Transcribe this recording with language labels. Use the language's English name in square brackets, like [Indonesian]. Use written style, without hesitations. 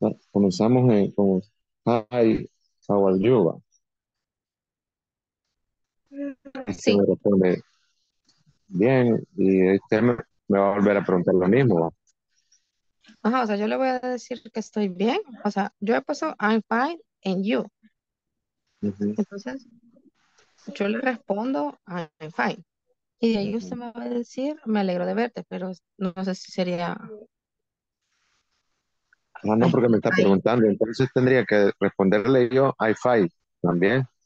[Spanish] Comenzamos en, con [English] hi, how are you? [Spanish] Sí. Me responde bien y usted me va a volver a preguntar lo mismo. Ajá, o sea, yo le voy a decir que estoy bien. O sea, yo he puesto [English] I'm fine and you. [Spanish] Entonces, yo le respondo [English] I'm fine. [Spanish] Y de ahí usted me va a decir, me alegro de verte, pero no sé si sería... Ah, no, porque me está preguntando. Entonces tendría que responderle yo [English] I'm fine [Spanish] también.